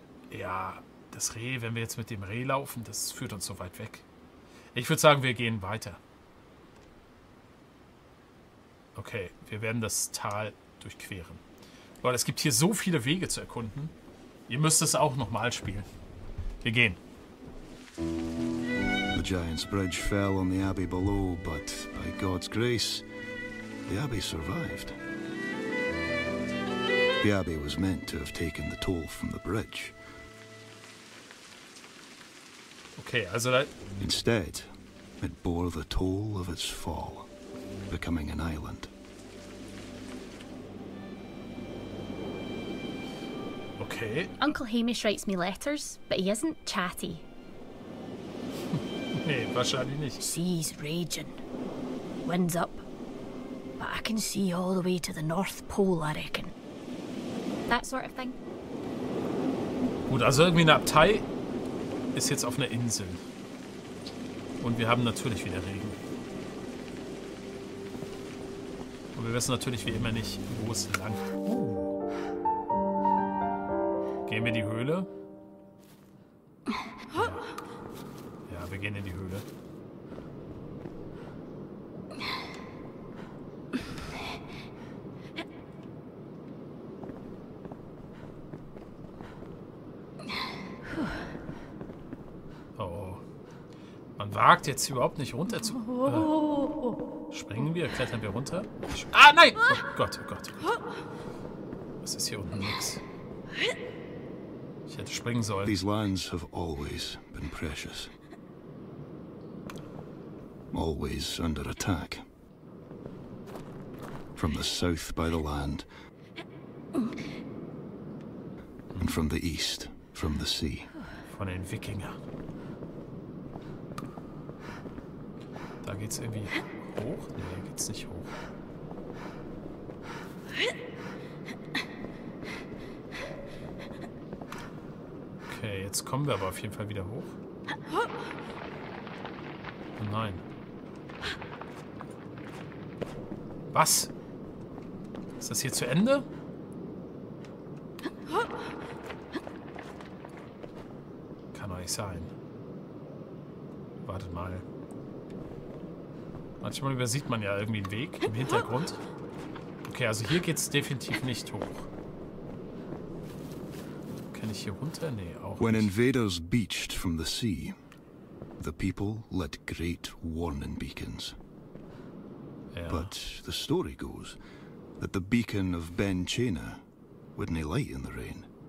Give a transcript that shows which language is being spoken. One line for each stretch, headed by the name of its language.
German: Ja, das Reh, wenn wir jetzt mit dem Reh laufen, das führt uns so weit weg. Ich würde sagen, wir gehen weiter. Okay, wir werden das Tal durchqueren. Weil es gibt hier so viele Wege zu erkunden. Ihr müsst es auch nochmal spielen. Wir gehen.
English: The Giant's Bridge fell on the Abbey below, but by God's grace, the Abbey survived. The Abbey was meant to have taken the toll from the bridge.
German: Okay, also that...
English: Instead, it bore the toll of its fall, becoming an island. Okay. Uncle Hamish writes me letters, but he isn't chatty.
German: Nee, wahrscheinlich nicht.
English: Sea's raging. Wind's up. But I can see all the way to the North Pole, I reckon. That sort of thing.
German: Gut, also irgendwie eine Abtei ist jetzt auf einer Insel. Und wir haben natürlich wieder Regen. Und wir wissen natürlich wie immer nicht, wo es lang geht. Gehen wir in die Höhle? Ja, wir gehen in die Höhle. Wagt jetzt überhaupt nicht runter zu. Springen wir, klettern wir runter. Ah, nein! Oh Gott. Was ist hier unten los? Ich hätte springen sollen.
English: These lands have always been precious. Always under attack. From the south by the land. And from the east, from the sea.
German: Von den Wikinger. Da geht's irgendwie hoch? Nee, da geht's nicht hoch. Okay, jetzt kommen wir aber auf jeden Fall wieder hoch. Oh nein. Was? Ist das hier zu Ende? Kann doch nicht sein. Wartet mal. Manchmal übersieht man ja irgendwie einen Weg im Hintergrund. Okay, also hier geht's definitiv nicht hoch. Kann ich hier runter? Nee, auch nicht.
English: When invaders beached from the sea, the people lit great warning beacons.
German: Ja.
English: But the story goes that the beacon of Ben Chena wouldn't light in the rain.